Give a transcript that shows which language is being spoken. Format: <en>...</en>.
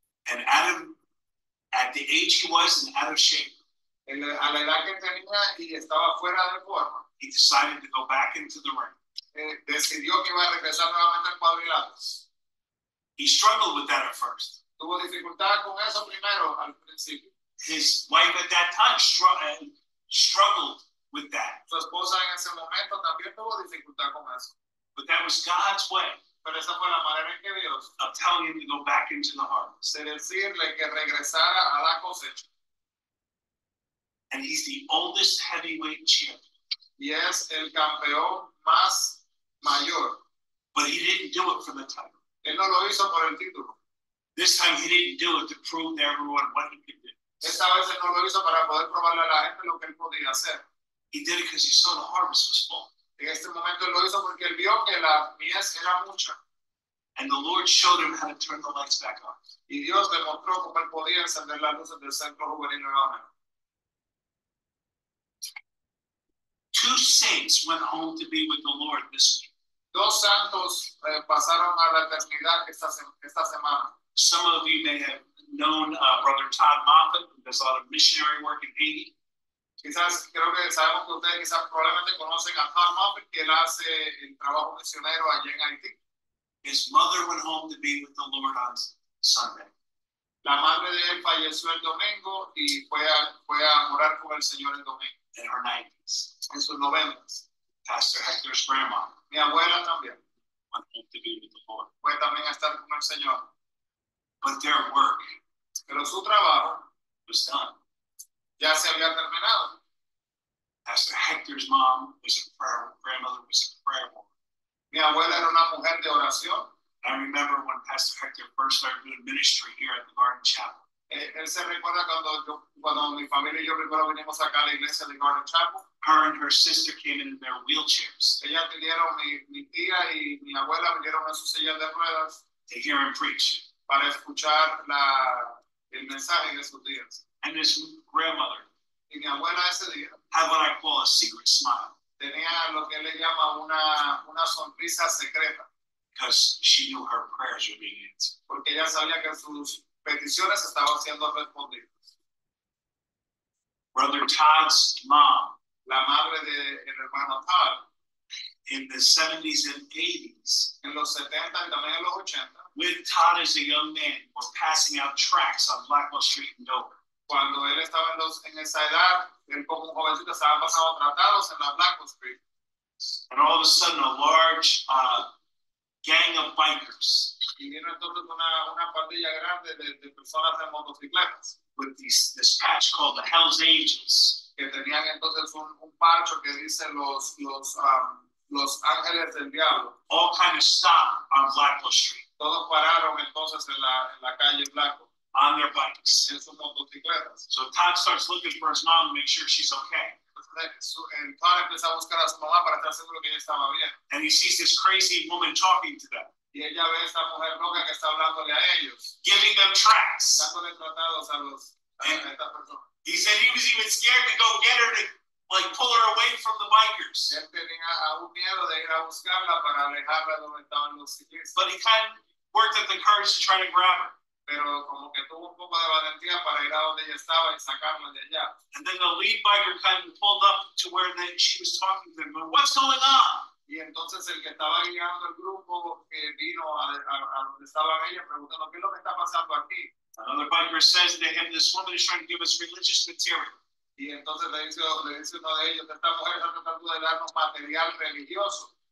<en>And at the age he was and out of shape.</en> <es>A la edad que tenía y estaba fuera de forma.</es> <en>He decided to go back into the ring.</en> <es>Decidió que iba a regresar nuevamente al cuadrilátero.</es> <en>He struggled with that at first.</en> <es>Tuvo dificultad con eso primero al principio.</es> <en>His wife at that time struggled with that.</en> <es>Su esposa en ese momento también tuvo dificultad con eso.</es> <en>But that was God's way.</en> <es>Pero esa fue la manera en que Dios</es> <en>of telling him to go back into the harvest.</en> <es>De decirle que regresara a la cosecha.</es> <en>And he's the oldest heavyweight champion.</en> <es>Y es el campeón más mayor.</es> <en>But he didn't do it for the title.</en> <es>Él no lo hizo por el título.</es> <en>This time he didn't do it to prove to everyone what he could do.</en> <es>Esta vez él no lo hizo para poder probarle a la gente lo que él podía hacer.</es> <en>He did it because he saw the harvest was full.</en> <es>En este momento él lo hizo porque él vio que la mies era mucha.</es> <en>And the Lord showed him how to turn the lights back on.</en> <es>Y Dios le mostró cómo él podía encender las luces del centro juvenil nuevamente.</es> <en>Two saints went home to be with the Lord this week.</en> <es>Dos santos pasaron a la eternidad esta semana.</es> <en>Some of you may have known Brother Todd Moffat, who does a lot of missionary work in Haiti.</en> <es>Quizás creo que sabemos que ustedes quizás probablemente conocen a Tom Moffat, que él hace el trabajo misionero allí en Haití.</es> <en>His mother went home to be with the Lord on Sunday.</en> <es>La madre de él falleció el domingo y fue a morar con el Señor el domingo.</es> <en>In her 90s.</en> <es>En sus 90s.</es> <en>Pastor Hector's grandma.</en> <es>Mi abuela también.</es> <en>Went home to be with the Lord.</en> <es>Fue también a estar con el Señor.</es> <en>But their work.</en> <es>Pero su trabajo.</es> <en>Was done.</en> <es>Ya se había terminado.</es> <en>Pastor Hector's mom was a prayer woman. Grandmother was a prayer woman.</en> <es>Mi abuela era una mujer de oración.</es> <en>I remember when Pastor Hector first started doing ministry here at the Garden Chapel.</en> <es>Él se recuerda cuando yo, cuando mi familia y yo primero venimos acá a la iglesia de Garden Chapel.</es> <en>Her and her sister came in their wheelchairs.</en> <es>Ella vinieron, mi tía y mi abuela vinieron en sus sillas de ruedas.</es> <en>To hear him preach.</en> <es>Para escuchar el mensaje de sus días.</es> <en>And his grandmother.</en> <es>Y mi abuela ese día.</es> <en>Had what I call a secret smile.</en> <es>Tenía lo que le llama una sonrisa secreta.</es> <en>Because she knew her prayers were being answered.</en> <es>Porque ella sabía que sus peticiones estaban siendo respondidas.</es> <en>Brother Todd's mom.</en> <es>La madre del hermano Todd.</es> <en>In the 70s and 80s.</en> <es>En los 70 y también en los 80.</es> <en>With Todd as a young man, was passing out tracts on Blackwell Street in Dover.</en> <es>Cuando él estaba en esa edad, él como un jovencito estaba pasando tratados en la Blackwell Street.</es> <en>And all of a sudden, a large gang of bikers.</en> <es>Y vino entonces una pandilla grande de personas en motocicletas.</es> <en>With this patch called the Hell's Angels.</en> <es>Que tenían entonces un parcho que dice los ángeles del diablo.</es> <en>All kind of stopped on Blackwell Street.</en> <es>Todos pararon entonces en la calle Blackwell.</es> <en>On their bikes.</en> <es>En sus motocicletas.</es> <en>So Todd starts looking for his mom to make sure she's okay.</en> <es>And Todd empezó a buscar a su mamá para estar seguro que ella estaba bien.</es> <en>And he sees this crazy woman talking to them.</en> <es>Y ella ve a esta mujer loca que está hablándole a ellos.</es> <en>Giving them tracts.</en> <es>Dándole tratados a esta persona.</es> <en>He said he was even scared to go get her to like pull her away from the bikers.</en> <es>Él tenía aún miedo de ir a buscarla para alejarla donde estaban los ciclistas.</es> <en>But he kind of worked up the courage to try to grab her.</en> <es>Pero como que tuvo un poco de valentía para ir a donde ella estaba y sacarla de allá.</es> <en>And then the lead biker kind of pulled up to where then she was talking to him. But what's going on?</en> <es>Y entonces el que estaba guiando el grupo vino a donde estaban ellos preguntando qué es lo que está pasando aquí.</es> <en>Another biker says to him, this woman is trying to give us religious material.</en> <es>Y entonces le dice uno de ellos, esta mujer está tratando de darnos material religioso.</es>